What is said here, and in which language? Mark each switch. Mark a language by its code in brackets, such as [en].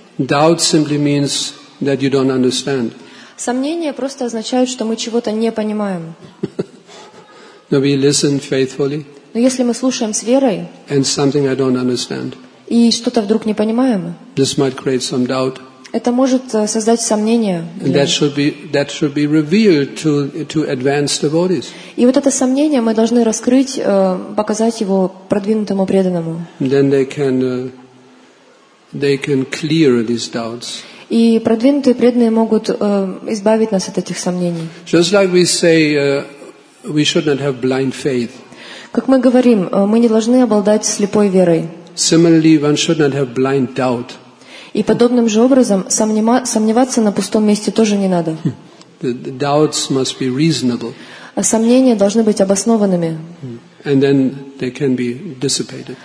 [en] Doubt simply means that you don't understand. [ru] Сомнения просто означают, что мы чего-то не понимаем. [en] No, we listen faithfully. [ru] Но если мы слушаем с верой, [en] and something I don't understand, [ru] и что-то вдруг не понимаем, [en] this might create some doubt. [ru] Это может создать сомнение. [en] And that should be revealed to advanced devotees. [ru] И вот это сомнение мы должны раскрыть, показать его продвинутому преданному. [en] Then they can clear these doubts. [ru] И продвинутые преданные могут избавить нас от этих сомнений. [en] Just like we say, we should not have blind faith. [ru] Как мы говорим, мы не должны обладать слепой верой. [en] Similarly, one should not have blind doubt. [ru] И подобным же образом сомневаться на пустом месте тоже не надо. [en] The doubts must be reasonable. [ru] А сомнения должны быть обоснованными. [en] And then they can be dissipated.